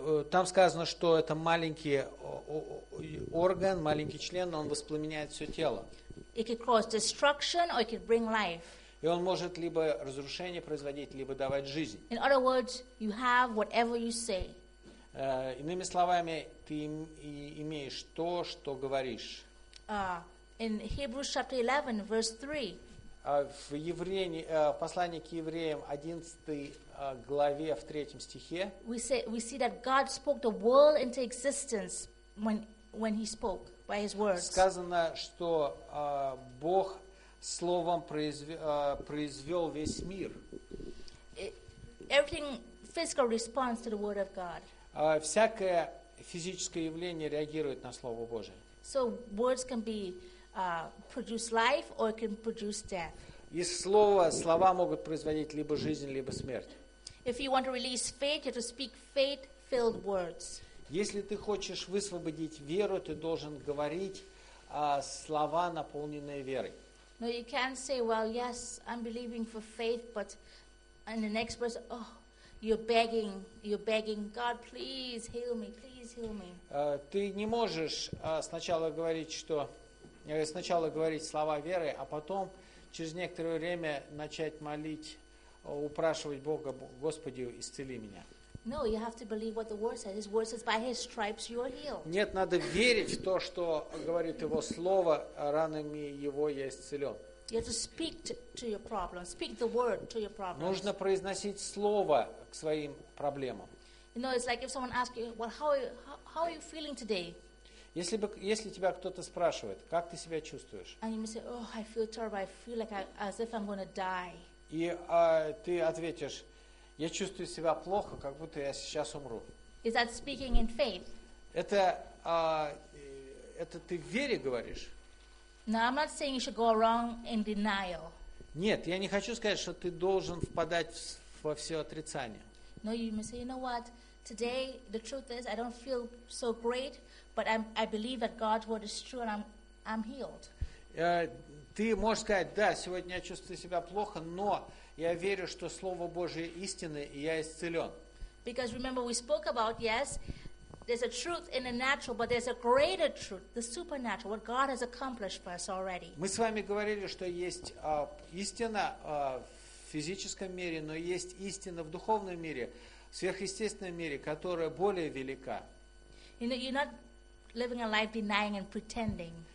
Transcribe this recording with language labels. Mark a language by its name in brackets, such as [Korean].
[Russian] Там сказано, что это маленький орган, маленький член, он воспламеняет все тело. [English] It can cause destruction or it can bring life. [Russian] И он может либо разрушение производить, либо давать жизнь. [English] In other words, you have whatever you say. [Russian] Иными словами, ты имеешь то, что говоришь. [English] In Hebrews chapter 11, verse 3. [Russian] В Евреи, послании к Евреям, 11 главе, в 3 стихе. [English] We see that God spoke the world into existence when He spoke by His words. [Russian] Сказано, что Бог словом произвел весь мир. [English] Everything physical responds to the word of God. [Russian] Всякое физическое явление реагирует на слово Божие. [English] So words can be produce life or it can produce death. [Russian] И слова могут производить либо жизнь, либо смерть. [English] If you want to release faith, you have to speak faith-filled words. [Russian] Если ты хочешь высвободить веру, ты должен говорить слова, наполненные верой. [English] No, you can't say, well, yes, I'm believing for faith, but in the next verse, oh, you're begging, God, please heal me, please. [Russian] Ты не можешь сначала говорить слова веры, а потом через некоторое время начать молить, упрашивать Бога: Господи, исцели меня. [English] No, you have to believe what the word says. His word says, by His stripes you are healed. [Russian] Нет, надо верить в то, что говорит Его слово, ранами Его я исцелен. [English] You have to speak to your problem. Speak the word to your problem. [Russian] Нужно произносить слово к своим проблемам. [English] You know, it's like if someone asks you, well, how are you feeling today? [Russian] Если тебя кто-то спрашивает, как ты себя чувствуешь? [English] And you may say, oh, I feel terrible. I feel like as if I'm going to die. [Russian] И ты ответишь, я чувствую себя плохо, как будто я сейчас умру. [English] Is that speaking in faith? [Russian] Это ты в вере говоришь? [English] No, I'm not saying you should go wrong in denial. [Russian] Нет, я не хочу сказать, что ты должен впадать во все отрицание. [English] No, you may say, you know what? Today, the truth is, I don't feel so great, but I believe that God's word is true, and I'm healed. [Russian] Ты можешь сказать, да, сегодня я чувствую себя плохо, но я верю, что Слово Божие истинно, и я исцелен. [English] Because remember, we spoke about, yes, there's a truth in the natural, but there's a greater truth, the supernatural, what God has accomplished for us already. [Russian] Мы с вами говорили, что есть истина в физическом мире, но есть истина в духовном мире, в сверхъестественном мире, которая более велика. [English] You know, you're not living a life denying and pretending.